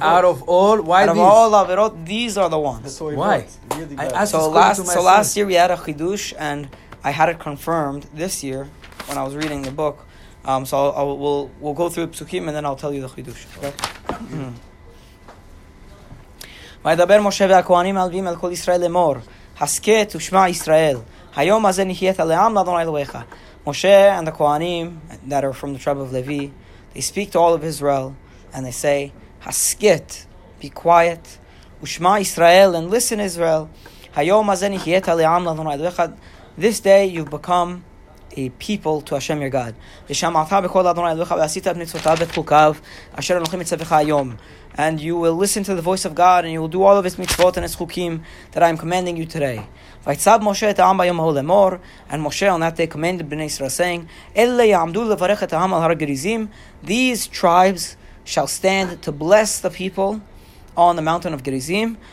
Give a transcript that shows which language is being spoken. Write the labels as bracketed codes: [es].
[en] Out of all averot, these are the ones. Why? Last year we had a chidush and I had it confirmed this year when I was reading the book. So we'll go through psukim and then I'll tell you the chidush. Okay. [he] וידבר משה והכהנים הלווים על כל ישראל לאמור, הסכת ושמע ישראל, היום הזה נחיית לעם לאדוני אלוהיך. [en] משה and the כהנים that are from the tribe of Levi, they speak to all of Israel, and they say, [he] הסכת, [en] be quiet, [he] ושמע ישראל, [en] and listen Israel, [he] היום הזה נחיית לעם לאדוני אלוהיך. [en] This day you've become a people to Hashem your God. [he] ושמעת בקול אדוני אלוהיך, ועשית את מצוותיו ואת חוקיו, אשר אנוכי מצווך היום. [en] And you will listen to the voice of God, and you will do all of His mitzvot and His chukim that I am commanding you today. [he] Vaitzav Moshe et ha'am b'yom ha'ol emor, [en] and Moshe on that day commanded Bnei Israel, saying, [he] Ele ya'amdu levarech et ha'am al har Gerizim. [en] These tribes shall stand to bless the people on the mountain of Gerizim.